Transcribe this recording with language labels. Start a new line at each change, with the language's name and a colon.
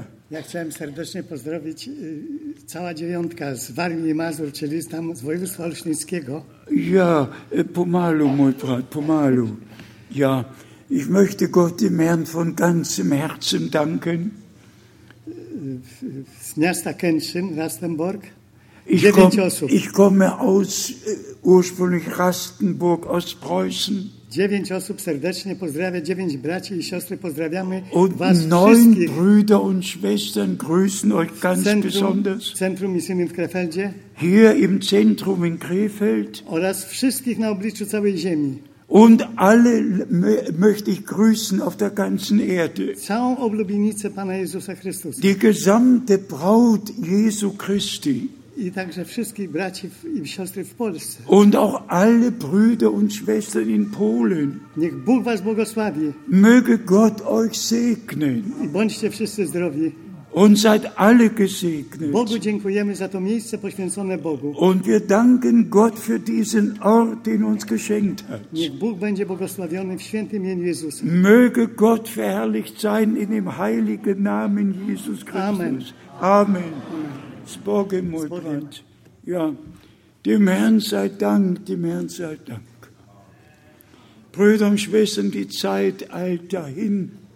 Polish: Ja chciałem serdecznie pozdrowić cała dziewiątka z Warmii i Mazur, czyli tam z województwa olsztyńskiego. Ja, pomalu, mój brat, pomalu.
German: Ja, ich möchte Gott dem Herrn von ganzem Herzen danken.
Polish: z miasta Kętrzyn, Rastenburg.
German: Ich komme aus ursprünglich Rastenburg aus Preußen.
Polish: 9 osób serdecznie pozdrawia, 9 braci i siostry pozdrawiamy
German: und
Polish: was wszystkich.
German: Neun Brüder und Schwestern grüßen euch ganz Zentrum, besonders.
Polish: Zentrum misyjnym w Krefeldzie.
German: Hier im Zentrum in Krefeld.
Polish: Oraz wszystkich na obliczu całej ziemi.
German: Und alle möchte ich grüßen auf der ganzen Erde.
Polish: Całą oblubienicę Pana Jezusa Chrystusa.
German: Die gesamte Braut Jesu Christi.
Polish: I także wszystkich braci i siostry w Polsce.
German: Und auch alle Brüder und Schwestern in Polen.
Polish: Niech Bóg was błogosławi.
German: Möge Gott euch segnen.
Polish: I bądźcie wszyscy zdrowi.
German: Und seid alle gesegnet.
Polish: Bogu dziękujemy za to miejsce poświęcone Bogu.
German: Und wir danken Gott für diesen Ort, den uns geschenkt hat.
Polish: Niech Bóg będzie błogosławiony w świętym imieniu Jezusa.
German: Möge Gott verherrlicht sein in dem heiligen Namen Jesus Christus. Amen. Amen. Spogen, ja, dem Herrn sei Dank, dem Herrn sei Dank. Brüder und Schwestern, die Zeit eilt dahin.